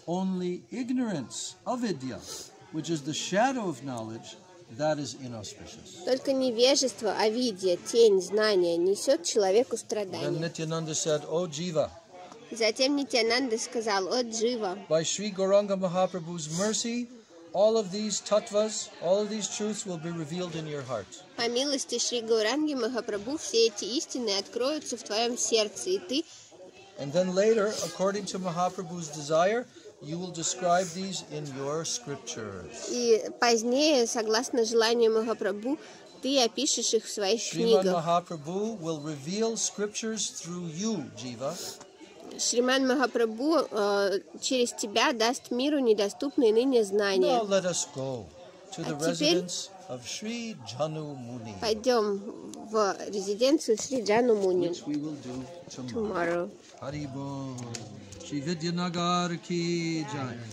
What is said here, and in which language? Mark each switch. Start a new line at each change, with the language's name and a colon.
English: Only ignorance of Vidya, which is the shadow of knowledge, that is inauspicious.
Russian: Только невежество о Видье, тень знания, несет человеку страдания.
English: Then Nityananda said, "O Jiva."
Russian: Затем Нитянанда сказал: "О Джива."
English: By Sri Gauranga Mahaprabhu's mercy, all of these tattvas, all of these truths will be revealed in your heart.
Russian: По милости Шри Гауранги Махапрабху все эти истины откроются в твоем сердце, и ты.
English: And then later, according to Mahaprabhu's desire, you will describe these in your scriptures.
Russian: И позднее, согласно желанию Махапрабху, ты опишешь их в своих книгах.
English: Shriman Mahaprabhu will reveal scriptures through you, Jiva.
Russian: Шриман Махапрабху через тебя даст миру недоступные ныне знания.
English: Now let us go to the residence of Sri Janu Muni.
Russian: Пойдем в резиденцию Шри Джану Муни.
English: Which we will do tomorrow.
Russian: Харибо. Шри Видьянагар ки джай.